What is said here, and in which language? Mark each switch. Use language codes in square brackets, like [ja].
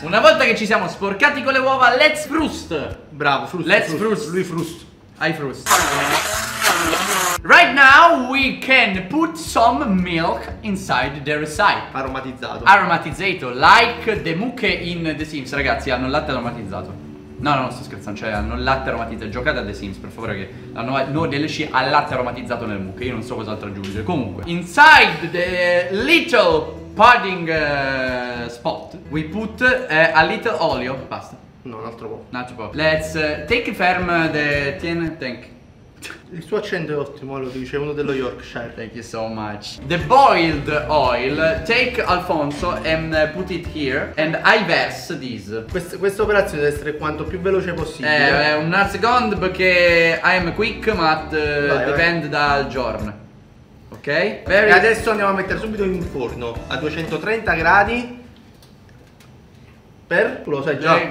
[it] Una volta che ci siamo sporcati con le uova, [en] let's frust. [it] Bravo, frust. [en] Let's frust. [it] Lui frust. [en] I frust. Right now we can put some milk inside the recipe. [it] Aromatizzato. Aromatizzato, [en] like the [it] mucche in The Sims. Ragazzi, hanno il latte aromatizzato. No, no, sto scherzando, cioè hanno il latte aromatizzato. Giocate a The Sims, per favore, che la nuova DLC ha il latte aromatizzato nel mucche. Io non so cos'altro aggiungere. [en] Comunque, inside the little pudding spot we put a little olio. Basta. [it] No, un altro po'. Un altro po'. [en] Let's take firm the tin tank. [it] Il suo accento è ottimo, lo dice uno dello Yorkshire. [en] Thank you so much. The boiled oil, take Alfonso and put it here. And I verse this. [it] Questa operazione deve essere quanto più veloce possibile. Una seconda perché [en] I am quick, [it] ma dipende dal giorno. Ok? Very... E adesso andiamo a mettere subito in forno a 230 gradi. Per? Lo sai già?